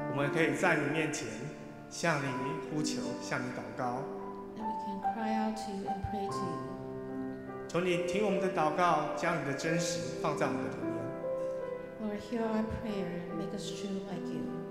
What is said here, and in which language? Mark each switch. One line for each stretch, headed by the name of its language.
Chinese: 我们可以在你面前向你呼求，向你祷告。
English: And we can cry out to you and pray to you.
Chinese: 求你听我们的祷告，将你的真实放在我们的里面。
English: Lord, hear our prayer and make us true like you.